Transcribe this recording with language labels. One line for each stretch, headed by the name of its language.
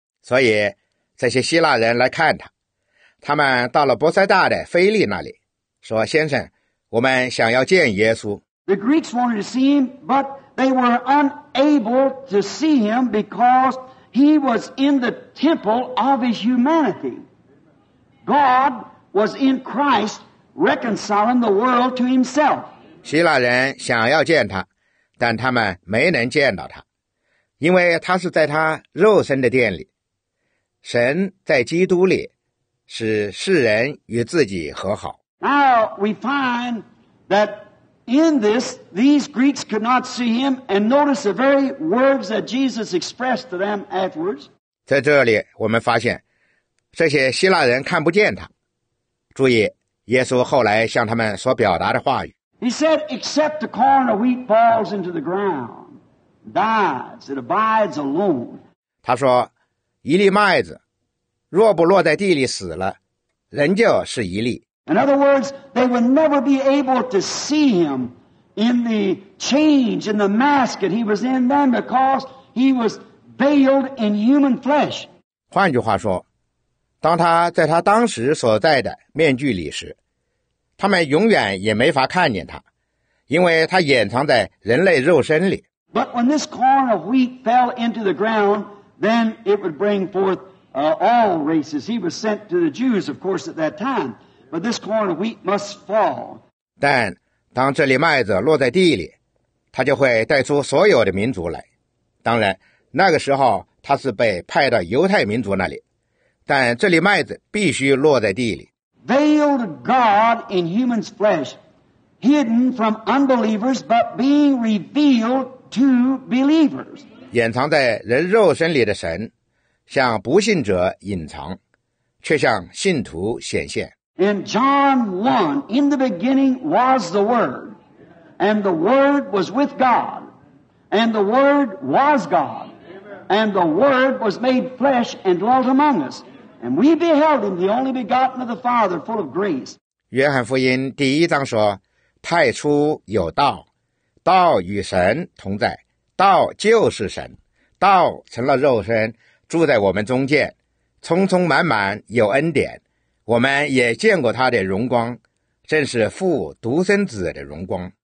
Chinese: 所以这些希腊人来看他，他们到了伯塞大的腓力那里，说：“先生，我们想要见耶稣。
English: ”The Greeks wanted to see him, but they were unable to see him because he was in the temple of his humanity. God was in Christ reconciling the world to himself.
Chinese: 希腊人想要见他，但他们没能见到他，因为他是在他肉身的殿里。神在基督里使世人与自己和好。
English: Now we find that in this, these Greeks could not see him, and notice the very words that Jesus expressed to them afterwards.
Chinese: 在这里，我们发现这些希腊人看不见他。注意，耶稣后来向他们所表达的话语。
English: He said, "Except the corn of wheat falls into the ground, dies; it abides alone."
Chinese: 他说，一粒麦子若不落在地里死了，仍旧是一粒。
English: In other words, they would never be able to see him in the change, in the mask that he was in then because he was veiled in human flesh.
Chinese: 换句话说，当他在他当时所在的面具里时，他们永远也没法看见他，因为他掩藏在人类肉身里。
English: But when this corn of wheat fell into the ground, then it would bring forth all races. He was sent to the Jews, of course, at that time. But this corn of wheat must fall.
Chinese: 但当这粒麦子落在地里，它就会带出所有的民族来。当然，那个时候它是被派到犹太民族那里，但这粒麦子必须落在地里。
English: Veiled God in human flesh, hidden from unbelievers, but being revealed to believers.
Chinese: 掩藏在人肉身里的神，向不信者隐藏，却向信徒显现。
English: In John 1, in the beginning was the Word, and the Word was with God, And the Word was God. And the Word was made flesh and dwelt among us. And we beheld Him, the only begotten of the Father, full of grace.
Chinese: 约翰福音第一章说，太初有道，道与神同在，道就是神，道成了肉身，住在我们中间，充充满满有恩典，我们也见过他的荣光，正是父独生子的荣光。